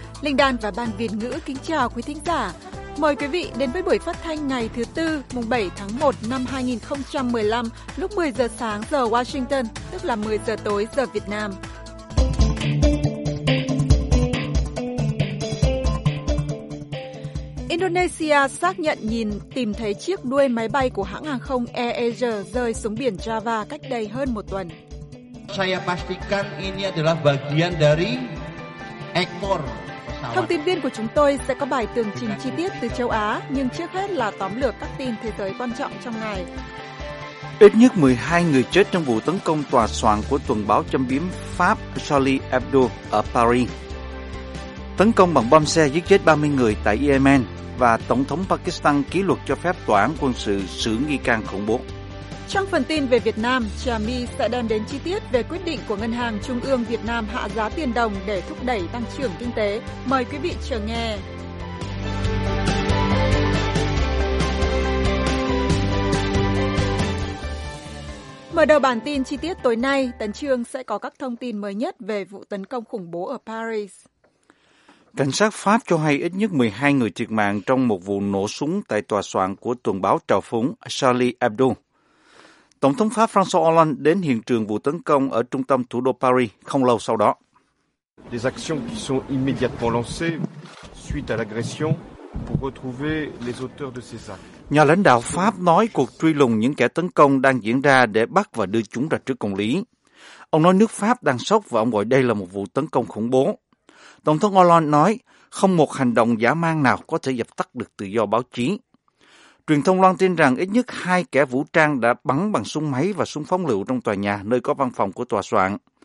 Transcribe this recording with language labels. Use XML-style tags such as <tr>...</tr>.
<vi>Linh Đan và Ban Việt ngữ kính chào quý thính giả. Mời quý vị đến với buổi phát thanh ngày thứ Tư, mùng 7 tháng 1 năm 2015, lúc 10 giờ sáng giờ Washington, tức là 10 giờ tối giờ Việt Nam. Indonesia xác nhận tìm thấy chiếc đuôi máy bay của hãng hàng không Air Asia rơi xuống biển Java cách đây hơn một tuần.</vi> <id>Saya pastikan ini adalah bagian dari ekor.</id> <vi>Thông tin viên của chúng tôi sẽ có bài tường trình chi tiết từ châu Á, nhưng trước hết là tóm lược các tin thế giới quan trọng trong ngày. Ít nhất 12 người chết trong vụ tấn công tòa soạn của tuần báo châm biếm Pháp Charlie Hebdo ở Paris. Tấn công bằng bom xe giết chết 30 người tại Yemen và Tổng thống Pakistan ký luật cho phép tòa án quân sự xử nghi can khủng bố. Trong phần tin về Việt Nam, Trà My sẽ đem đến chi tiết về quyết định của Ngân hàng Trung ương Việt Nam hạ giá tiền đồng để thúc đẩy tăng trưởng kinh tế. Mời quý vị chờ nghe. Mở đầu bản tin chi tiết tối nay, Tấn Trương sẽ có các thông tin mới nhất về vụ tấn công khủng bố ở Paris. Cảnh sát Pháp cho hay ít nhất 12 người thiệt mạng trong một vụ nổ súng tại tòa soạn của tuần báo trào phúng Charlie Hebdo. Tổng thống Pháp François Hollande đến hiện trường vụ tấn công ở trung tâm thủ đô Paris không lâu sau đó.</vi> <fr>Les actions qui sont immédiatement lancées suite à l'agression pour retrouver les auteurs de ces actes.</fr> <vi>Nhà lãnh đạo Pháp nói cuộc truy lùng những kẻ tấn công đang diễn ra để bắt và đưa chúng ra trước công lý. Ông nói nước Pháp đang sốc và ông gọi đây là một vụ tấn công khủng bố. Tổng thống Hollande nói không một hành động dã man nào có thể dập tắt được tự do báo chí. Truyền thông loan tin rằng ít nhất hai kẻ vũ trang đã bắn bằng súng máy và súng phóng lựu trong tòa nhà nơi có văn phòng của tòa soạn.</vi>